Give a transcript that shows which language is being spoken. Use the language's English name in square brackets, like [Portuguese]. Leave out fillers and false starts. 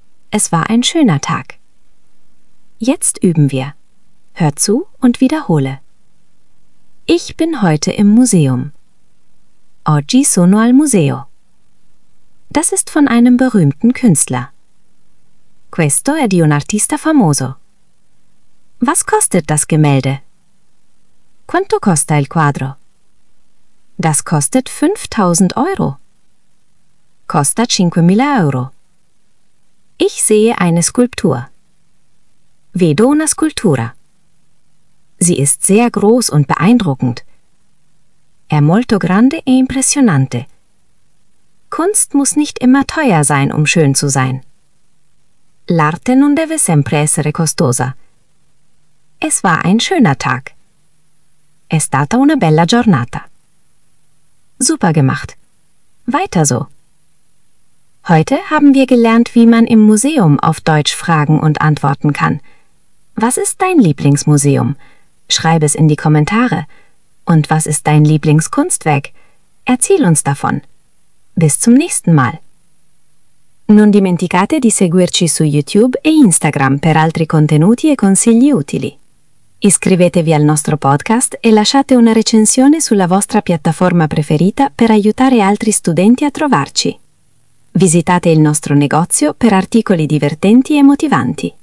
[German] Es war ein schöner Tag. Jetzt üben wir. Hör zu und wiederhole. Ich bin heute im Museum. [Italian] Oggi sono al museo. [German] Das ist von einem berühmten Künstler. [Italian] Questo è di un artista famoso. [German] Was kostet das Gemälde? [Italian] Quanto costa il quadro? [German] Das kostet 5000 Euro. [Italian] Costa 5000 Euro. [German] Ich sehe eine Skulptur. [Italian] Vedo una scultura. [German] Sie ist sehr groß und beeindruckend. [Italian] È molto grande e impressionante. [German] Kunst muss nicht immer teuer sein, um schön zu sein. [Italian] L'arte non deve sempre essere costosa. [German] Es war ein schöner Tag. [Italian] È stata una bella giornata. [German] Super gemacht. Weiter so. Heute haben wir gelernt, wie man im Museum auf Deutsch fragen und antworten kann. Was ist dein Lieblingsmuseum? Schreib es in die Kommentare. Und was ist dein Lieblingskunstwerk? Erzähl uns davon. Bis zum nächsten Mal. [Italian] Non dimenticate di seguirci su YouTube e Instagram per altri contenuti e consigli utili. Iscrivetevi al nostro podcast e lasciate una recensione sulla vostra piattaforma preferita per aiutare altri studenti a trovarci. Visitate il nostro negozio per articoli divertenti e motivanti.